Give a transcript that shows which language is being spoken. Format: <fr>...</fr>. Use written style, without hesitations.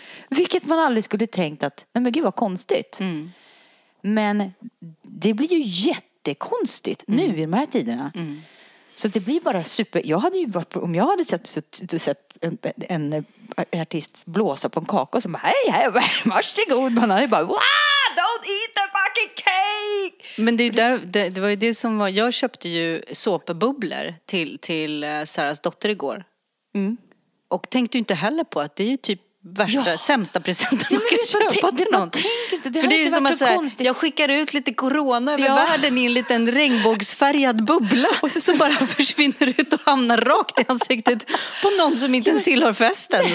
<sv>Vilket man aldrig skulle tänkt att, nej men gud vad konstigt. Mm. Men det blir ju jättekonstigt nu i de här tiderna. Mm. Så det blir bara super... Jag hade ju varit... Om jag hade sett en artist blåsa på en kaka och så bara, hej, hej, varsågod. Man hade bara,</sv> <en>wow, don't eat the fucking cake!</en> <sv>Men det var ju det som var... Jag köpte ju såpebubblor till Sarahs dotter igår. Mm. Och tänkte ju inte heller på att det är ju typ värsta, sämsta presenten man kan köpa till någon. För det är ju som att såhär, jag skickar ut lite corona över världen i en liten regnbågsfärgad bubbla och så bara försvinner ut och hamnar rakt i ansiktet på någon som inte ens tillhör festen.</sv>